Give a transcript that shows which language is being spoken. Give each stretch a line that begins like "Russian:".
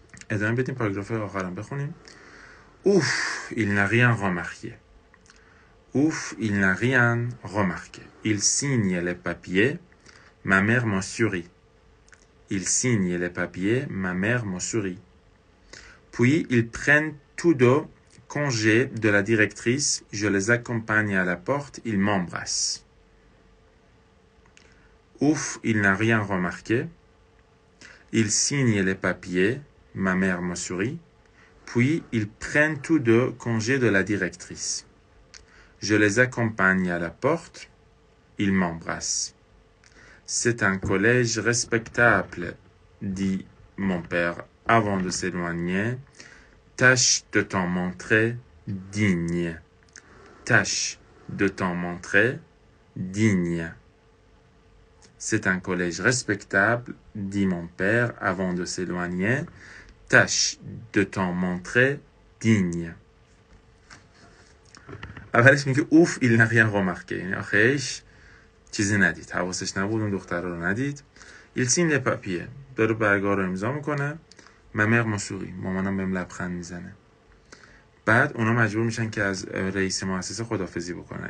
Persian: ادامه بدیم پاراگراف آخرام بخونیم.
French: اوف ایل نریان رمارکه، اوف ایل نریان رمارکه، ایل سیگنه ل پاپیه ما مر مون سوری، ایل سیگنه ل پاپیه ما مر مون سوری، پوی ایل پرن tous deux congé de la directrice, je les accompagne à la porte, il m'embrasse. Ouf, il n'a rien remarqué. Il signe les papiers, ma mère me sourit. Puis ils prennent tous deux congé de la directrice. Je les accompagne à la porte, il m'embrasse. C'est un collège respectable, dit mon père avant de s'éloigner. Tâche de t'en montrer digne. Tâche de t'en montrer digne. C'est un collège respectable, dit mon père avant de s'éloigner. Tâche de t'en montrer digne.
Persian: اولش میگه
French: اوف ایل نریان رمارکه،
Persian: یعنی آخیش چیزی ندید، حواسش نبود اون دختر رو ندید.
French: ایل سین لی پاپیه،
Persian: داره برگاه رو امضا میکنه.
French: ممر مسوری،
Persian: مامانم بهم لبخند میزنه. بعد اونا مجبور میشن که از رئیس مؤسسه خدافظی بکنن.